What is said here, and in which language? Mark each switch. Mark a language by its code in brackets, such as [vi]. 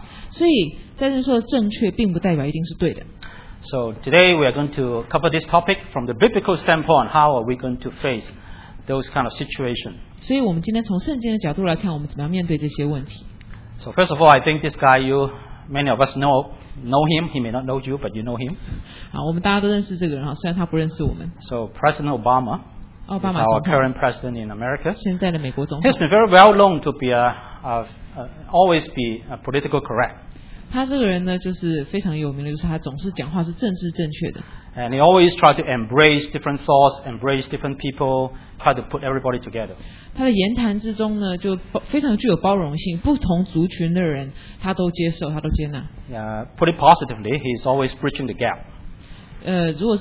[zh] 所以在这说正确，并不代表一定是对的。 [en] So today we are going to cover this topic from the biblical standpoint. How are we going to face those kind of situations? [zh] 所以我们今天从圣经的角度来看，我们怎么样面对这些问题。 [en] So first of all, I think this guy, you, many of us know him. He may not know you, but you know him. [zh] 我们大家都认识这个人，虽然他不认识我们。 [en] So President Obama, is our current president in America. [zh] 现在的美国总统。 [en] He's been very well known to be always be a political correct. [zh] 他这个人呢，就是非常有名的，就是他总是讲话是政治正确的。 [en] And he always tried to embrace different thoughts, embrace different people, try to put everybody together. [zh] 他的言谈之中呢，就非常具有包容性，不同族群的人，他都接受，他都接纳。 [en] Yeah, put it positively, he's always bridging the gap.